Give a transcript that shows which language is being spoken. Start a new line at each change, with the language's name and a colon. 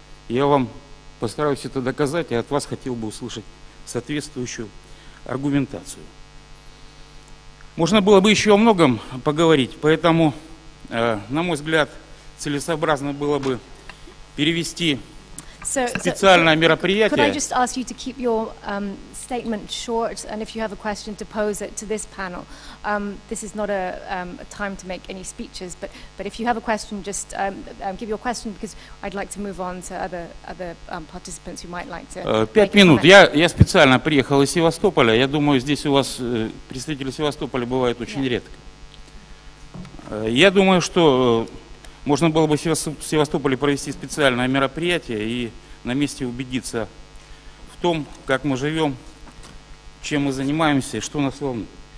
Russian: Я вам постараюсь это доказать, и от вас хотел бы услышать соответствующую аргументацию. Можно было бы еще о многом поговорить, поэтому, на мой взгляд, целесообразно было бы перевести специальное мероприятие.
English: Could I just ask you to keep your statement short, and if you have a question, to pose it to this panel. This is not a time to make any speeches, but if you have a question, just give your question, because I'd like to move on to other participants who might like to.
Russian: Пять минут. Я специально приехал из Севастополя. Я думаю, здесь у вас представители Севастополя бывают очень редко. Я думаю, что можно было бы в Севастополе провести специальное мероприятие и на месте убедиться в том, как мы живем, чем мы занимаемся и что нас волнует.